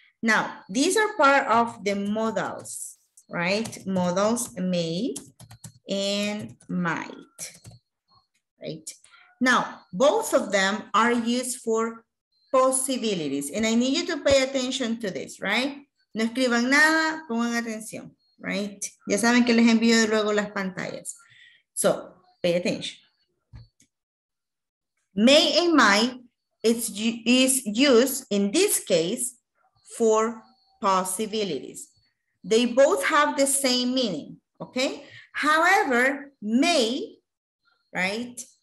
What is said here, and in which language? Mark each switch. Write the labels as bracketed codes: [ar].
[en] Now, these are part of the models, right? Models, may and might, right? Now, both of them are used for possibilities. And I need you to pay attention to this, right? [es] No escriban nada, pongan atención, right? Ya saben que les envío luego las pantallas. [en] So, pay attention. May and might is used in this case for possibilities. They both have the same meaning, okay? However, may, right?